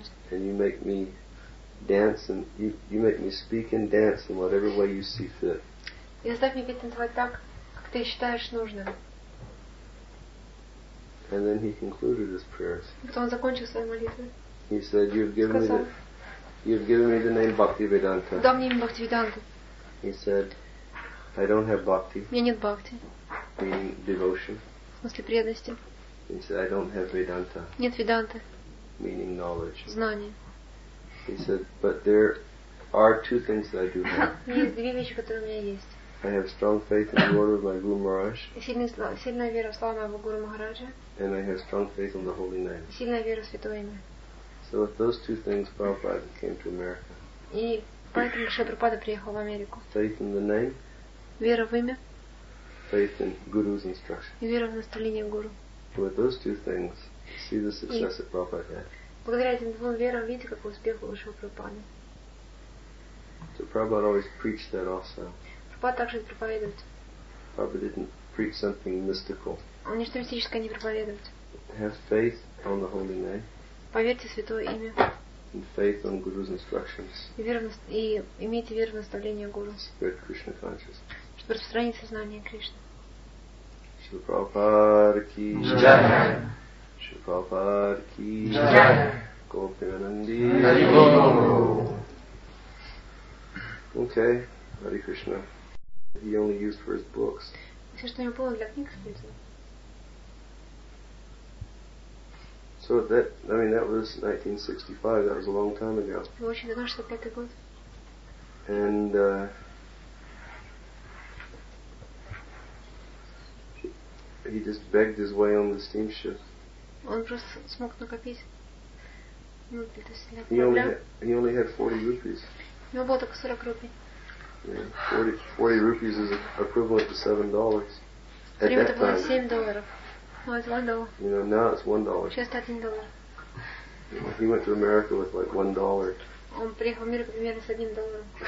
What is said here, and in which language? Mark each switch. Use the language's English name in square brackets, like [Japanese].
[English] And you make me dance, and you make me speak and dance in whatever way you see fit. [Russian] И заставь меня танцевать так, как ты считаешь нужным. [English] And then he concluded his prayers. [Russian] Он закончил свою молитву. [English] He said, "You've given me the name Bhaktivedanta." [Russian] Дай мне имя Бхактивиданта. [English] He said, "I don't have bhakti." [Russian] У меня нет бхакти. [English] Meaning devotion. [Russian] В смысле преданности. [English] He said, "I don't have Vedanta." [Russian] Нет Веданты. [English] Meaning knowledge. [Russian] Знание. [English] He said, but there are two things that I do have. [Russian] Есть две вещи, которые у меня есть. [English] I have strong faith in the word of my Guru Maharaj. [Russian] Сильная вера в слова моего Гуру Махараджа. [English] And I have strong faith in the holy name. [Russian] Сильная вера в святое имя. [English] So with those two things, Prabhupada came to America. [Russian] И поэтому Шри Прабхупада приехал в Америку. [English] Faith in the name. [Russian] Вера в имя. [English] Faith in Guru's instruction. [Russian] И вера в наставление Гуру. [English] With those two things, see the success that Prabhupada had. [Russian] Благодаря этим двум верам, видите, какой успех у Шри Прабхупады. [English] So Prabhupada always preached that also. [Russian] Прабхупада также проповедует. [English] Prabhupada didn't preach something mystical. [Russian] Он ничто мистическое не проповедует. [English] Have faith on the holy name. [Russian] Поверьте в святое имя. [English] And faith on Guru's instructions. [Russian] И имейте веру в наставление Гуру. [English] Spread Krishna consciousness. [Russian] Чтобы распространить сознание Кришны. [Hindi] Шри Прабхупада ки джай. Шупапарки Гопинанди Харибо. [English] Okay, Hare Krishna. He only used for his books. [Russian] Все, что у него было для книг, используется. [English] So that was 1965, that was a long time ago. [Russian] Это очень давно, 65-й год. [English] And he just begged his way on the steamship. [Russian] Он просто смог накопить. Ну, это сильно. [English] He only had 40 rupees. [Russian] У него было только 40 рупий. [English] Yeah, 40 rupees is equivalent to $7. At that time. [Russian] Было 7 долларов. Ну, это 1 доллар. [English] You know, now it's $1. [Russian] Сейчас это 1 доллар. [English] He went to America with like $1. [Russian] Он приехал в мир примерно с 1 долларом.